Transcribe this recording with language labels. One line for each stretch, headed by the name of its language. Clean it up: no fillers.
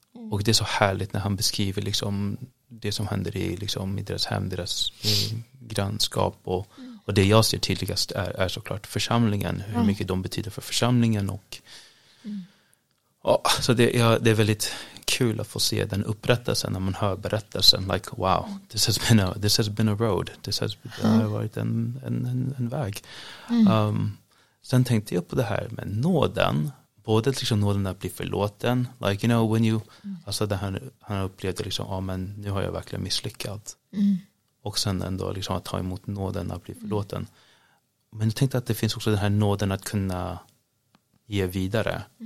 Swedish: Och det är så härligt när han beskriver liksom det som händer i, liksom, i deras hem, deras grannskap. Och det jag ser tydligast är såklart församlingen, hur mycket de betyder för församlingen. Så det är väldigt kul att få se den upprättelsen när man hör berättelsen.
English: Like, wow, this has been a road.
Swedish: Det har varit en väg. Sen tänkte jag på det här med nåden. Både liksom nåden att bli förlåten,
English: like, you know, when you,
Swedish: alltså det han upplevde liksom, ja men nu har jag verkligen misslyckat. Och sen ändå liksom att ta emot nåden att bli förlåten. Men jag tänkte att det finns också den här nåden att kunna ge vidare.